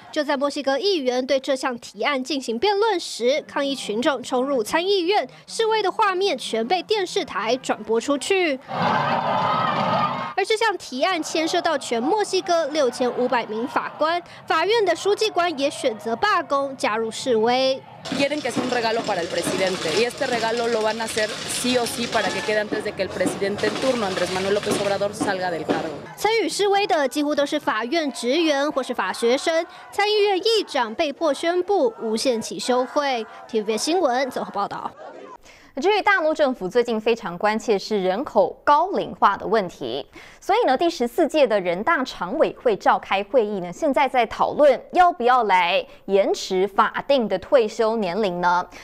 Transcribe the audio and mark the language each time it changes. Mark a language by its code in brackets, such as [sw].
[zh] 就在墨西哥议员对这项提案进行辩论时，抗议群众冲入参议院，示威的画面全被电视台转播出去。而这项提案牵涉到全墨西哥6500名法官，法院的书记官也选择罢工加入示威。 [es] Quieren que sea un regalo para el presidente y este regalo lo van a hacer sí o sí para que quede antes de que el presidente en turno Andrés Manuel López Obrador salga del cargo. [zh] 参与示威的几乎都是法院职员或是法学生，参议院议长被迫宣布无限期休会。 TVBS 新闻综合报道。至于大陆政府最近非常关切是人口高龄化的问题，所以呢，第14届的人大常委会召开会议呢，现在在讨论要不要来延迟法定的退休年龄呢？